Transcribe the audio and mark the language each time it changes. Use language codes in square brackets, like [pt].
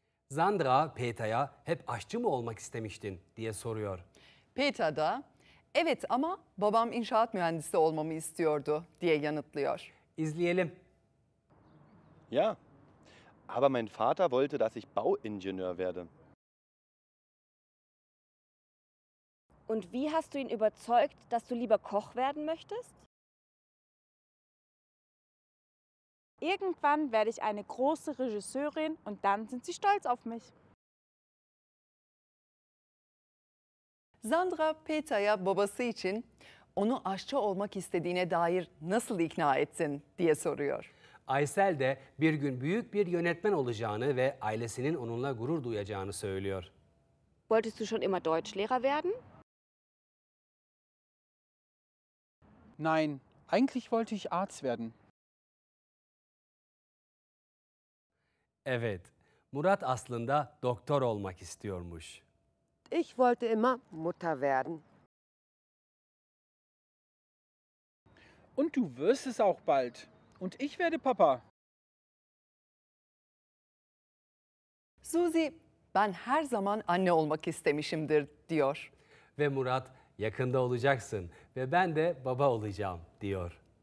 [tr] Sandra, Peter'a hep aşçı mı olmak istemiştin diye soruyor. Peter da, evet ama babam inşaat mühendisi olmamı istiyordu diye yanıtlıyor. İzleyelim. [de] Ja, aber mein Vater wollte, dass ich Bauingenieur werde. Und wie hast du ihn überzeugt, dass du lieber Koch werden möchtest? Irgendwann werde ich eine große Regisseurin und dann sind sie stolz auf mich. [tr] Sandra Peter'ya babası için onu aşçı olmak istediğine dair nasıl ikna etsin diye soruyor. Aysel de bir gün büyük bir yönetmen olacağını ve ailesinin onunla gurur duyacağını söylüyor. [de] Wolltest du schon immer Deutschlehrer werden? Nein, eigentlich wollte ich Arzt werden. [tr] Evet, Murat aslında doktor olmak istiyormuş. [de] Ich wollte immer Mutter werden. Und du wirst es auch bald. Und ich werde Papa. [tr] Suzi, ben her zaman anne olmak istemişimdir, diyor. Ve Murat, yakında olacaksın ve ben de baba olacağım, diyor.